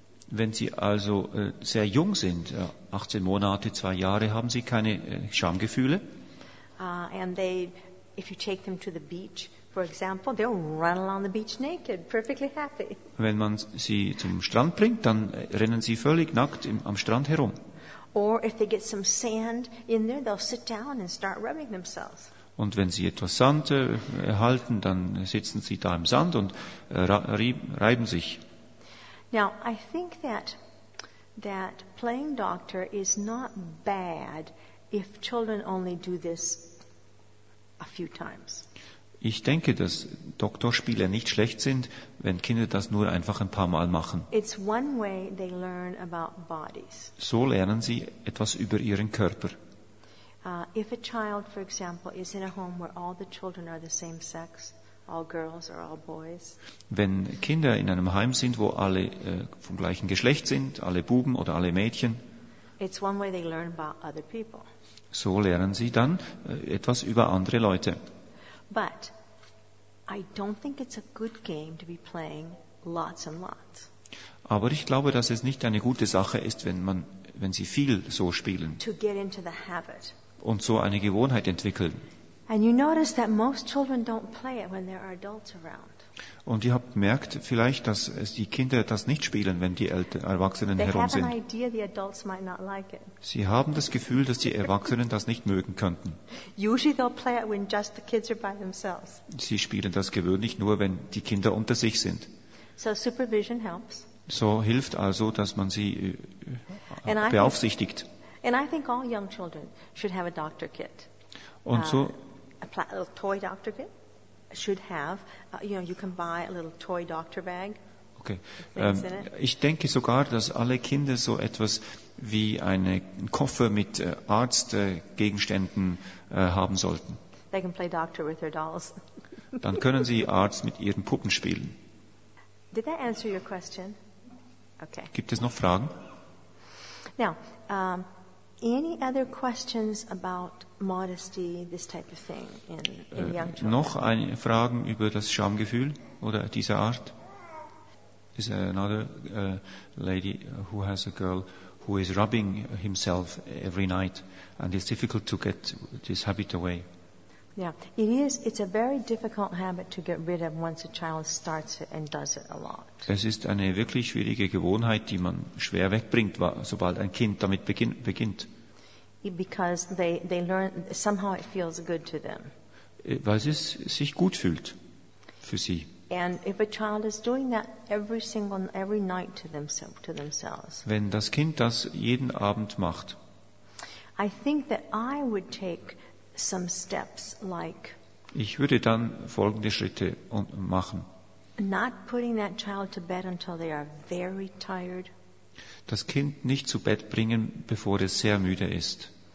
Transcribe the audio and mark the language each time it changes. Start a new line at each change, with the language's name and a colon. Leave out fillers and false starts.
German: Wenn sie also sehr jung sind, 18 Monate, 2 Jahre, haben sie keine Schamgefühle.
English: And they, if you take them to the beach, for example, they'll run along the beach naked, perfectly happy.
German: Wenn man sie zum Strand bringt, dann rennen sie völlig nackt am Strand herum.
English: Or if they get some sand in there, they'll sit down and start rubbing themselves.
German: Und wenn sie etwas Sand erhalten, dann sitzen sie da im Sand und reiben sich.
English: Now, I think that playing doctor is not bad if children only do this a few times.
German: Ich denke, dass Doktorspiele nicht schlecht sind, wenn Kinder das nur einfach ein paar Mal machen.
English: It's one way they learn about bodies.
German: So lernen sie etwas über ihren Körper.
English: If a child, for example, is in a home where all the children are the same sex, all girls or all boys.
German: Wenn Kinder in einem Heim sind, wo alle vom gleichen Geschlecht sind, alle Buben oder alle Mädchen,
English: it's one way they learn about other people.
German: So lernen sie dann etwas über andere Leute.
English: But I don't think it's a good game to be playing lots and lots.
German: Aber ich glaube, dass es nicht eine gute Sache ist, wenn sie viel so spielen.
English: To get into the habit.
German: Und so eine Gewohnheit entwickeln.
English: And you notice that most children don't play it when there are adults around.
German: Und ihr habt merkt vielleicht, dass es die Kinder das nicht spielen, wenn die Erwachsenen
English: they
German: herum
English: have an
German: sind.
English: Idea the adults might not like it.
German: Sie haben das Gefühl, dass die Erwachsenen das nicht mögen könnten.
English: Usually they'll play it when just the kids are by themselves.
German: Sie spielen das gewöhnlich nur, wenn die Kinder unter sich sind.
English: So supervision helps.
German: So hilft also, dass man sie beaufsichtigt.
English: And I think all young children should have a doctor kit.
German: Und so
English: a little toy doctor kit should have, you can buy a little toy doctor bag. Okay.
German: Ich denke sogar, dass alle Kinder so etwas wie einen Koffer mit Arztgegenständen haben sollten.
English: They can play doctor with their dolls.
German: Dann können sie Arzt mit ihren Puppen spielen.
English: Did that answer your question? Okay.
German: Gibt es noch Fragen?
English: Now, any other questions about modesty, this type of thing in young children?
German: Noch eine Frage über das Schamgefühl oder diese Art?
English: Is there another lady who has a girl who is rubbing himself every night and it's difficult to get this habit away? Yeah, it is. It's a very difficult habit to get rid of once a child starts it and does it a lot.
German: Es ist eine wirklich schwierige Gewohnheit, die man schwer wegbringt, sobald ein Kind damit beginnt.
English: Because they learn somehow it feels good to them.
German: Weil es sich gut fühlt für sie.
English: And if a child is doing that every night to themselves.
German: Wenn das Kind das jeden Abend macht.
English: I think that I would take some steps like.
German: Ich würde dann folgende Schritte machen.
English: Not putting that child to bed until they are very tired.
German: Das Kind nicht zu Bett bringen, bevor es sehr müde ist.